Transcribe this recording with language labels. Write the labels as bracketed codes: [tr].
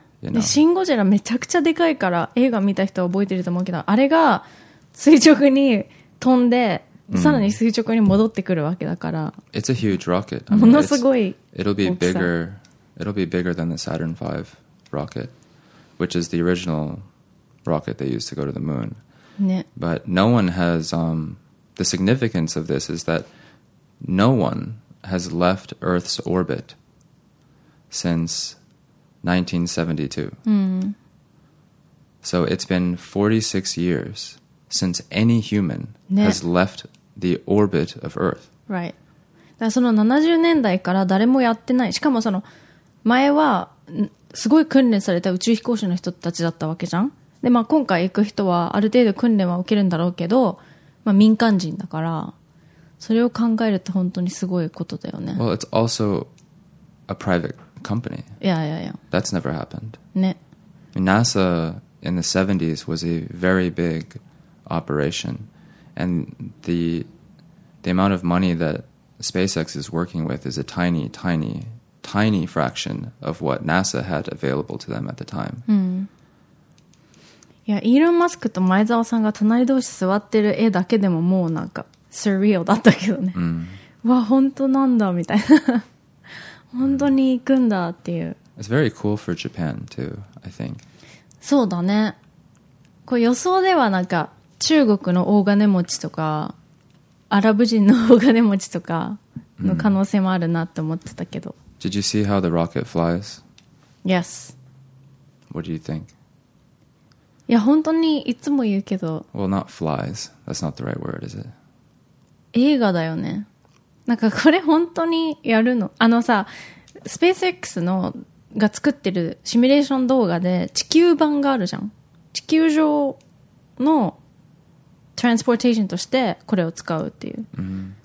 [ja] で、シンゴジラめちゃくちゃでかいから、映画見た人は覚えてると思うけど、あれが垂直に飛んで、さらに垂直に戻ってくるわけだから。 [en] Mm. It's a huge rocket. I mean, [ja] ものすごい。 [en] It'll be bigger than the Saturn V rocket, which is the original rocket they used to go to the moon. [ja] ね。 [en] But no one has, the significance of this is that no one has left Earth's orbit since 1972. Mm. So it's been 46 years since any human ね。 has left the orbit of Earth. Right. [ja] だからその70年代から誰もやってない。しかもその前はすごい訓練された宇宙飛行士の人たちだったわけじゃん。で、まあ今回行く人はある程度訓練は受けるんだろうけど、まあ民間人だから、それを考えると本当にすごいことだよね。 [en] Well, it's also a private company. Yeah, yeah, yeah. That's never happened. [ja] ね。 [en] NASA in the 70s was a very big operation. And the amount of money that SpaceX is working with is a tiny, tiny, tiny fraction of what NASA had available to them at the time. [ja] いや、イーロン・マスクと前澤さんが隣同士座ってる絵だけでももうなんか surreal だったけどね。わ、本当なんだみたいな。本当に行くんだっていう。 [en] It's very cool for Japan too, I think. [ja] そうだね。こう予想ではなんか中国の大金持ちとかアラブ人の大金持ちとかの可能性もあるなって思ってたけど、 [en] mm. Did you see how the rocket flies? Yes. What do you think? [ja] いや本当にいつも言うけど [en] Well not flies, that's not the right word, is it? [ja] 映画だよね。なんかこれ本当にやるの？あのさ、 SpaceX のが作ってるシミュレーション動画で地球版があるじゃん。地球上のトランスポーテーションとしてこれを使うっていう、うん、